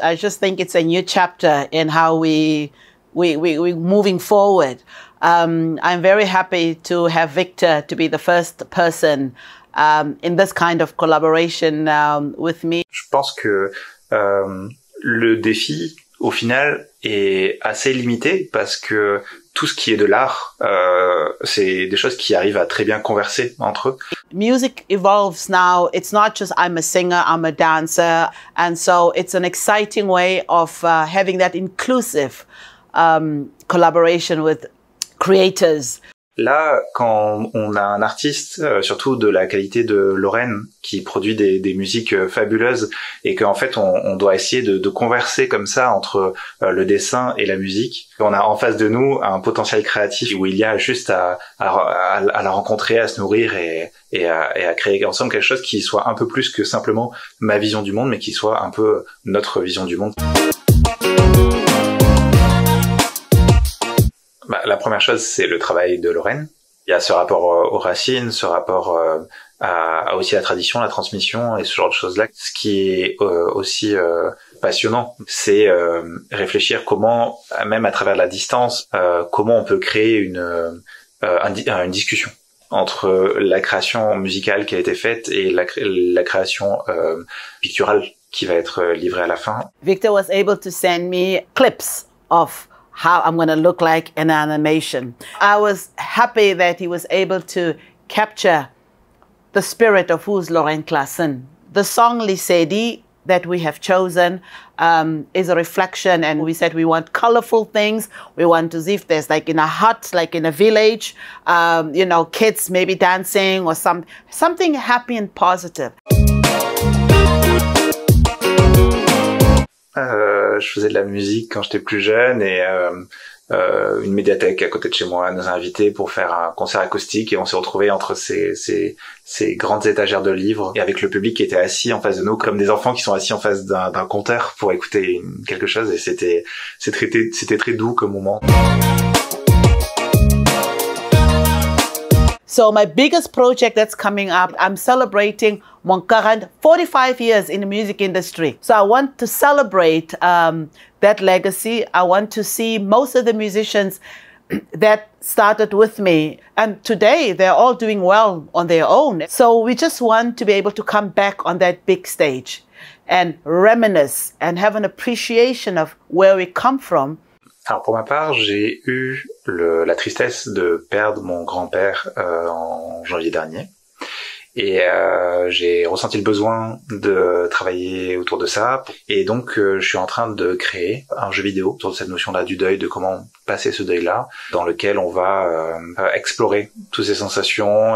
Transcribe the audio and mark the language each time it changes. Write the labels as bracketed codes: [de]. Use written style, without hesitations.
[en] I just think it's a new chapter in how we're moving forward. I'm very happy to have Victor to be the first person in this kind of collaboration with me. [fr] Je pense que le défi, au final, est assez limité parce que tout ce qui est de l'art, c'est des choses qui arrivent à très bien converser entre eux. [en] Music evolves now. It's not just I'm a singer, I'm a dancer. And so it's an exciting way of having that inclusive collaboration with creators. [fr] Là, quand on a un artiste, surtout de la qualité de Lorraine, qui produit des musiques fabuleuses, et qu'en fait, on doit essayer de converser comme ça entre le dessin et la musique, on a en face de nous un potentiel créatif où il y a juste à la rencontrer, à se nourrir et à créer ensemble quelque chose qui soit un peu plus que simplement ma vision du monde, mais qui soit un peu notre vision du monde. Bah, la première chose, c'est le travail de Lorraine. Il y a ce rapport aux racines, ce rapport à aussi la tradition, la transmission et ce genre de choses-là. Ce qui est aussi passionnant, c'est réfléchir comment, même à travers la distance, comment on peut créer une discussion entre la création musicale qui a été faite et la création picturale qui va être livrée à la fin. [en] Victor was able to send me clips of how I'm going to look like in animation. I was happy that he was able to capture the spirit of who's Lorraine Klaasen. The song Lisedi that we have chosen is a reflection, and we said we want colorful things. We want to see if there's like in a hut, like in a village, you know, kids maybe dancing or something happy and positive. [fr] je faisais de la musique quand j'étais plus jeune et une médiathèque à côté de chez moi nous a invités pour faire un concert acoustique et on s'est retrouvés entre ces grandes étagères de livres et avec le public qui était assis en face de nous comme des enfants qui sont assis en face d'un compteur pour écouter quelque chose et c'était très doux comme moment. [en] So my biggest project that's coming up, I'm celebrating mon 45 years in the music industry. So I want to celebrate that legacy. I want to see most of the musicians that started with me. And today they're all doing well on their own. So we just want to be able to come back on that big stage and reminisce and have an appreciation of where we come from. [fr] Alors pour ma part, j'ai eu la tristesse de perdre mon grand-père en janvier dernier. Et j'ai ressenti le besoin de travailler autour de ça. Et donc, je suis en train de créer un jeu vidéo autour de cette notion-là du deuil, de comment passer ce deuil-là, dans lequel on va explorer toutes ces sensations.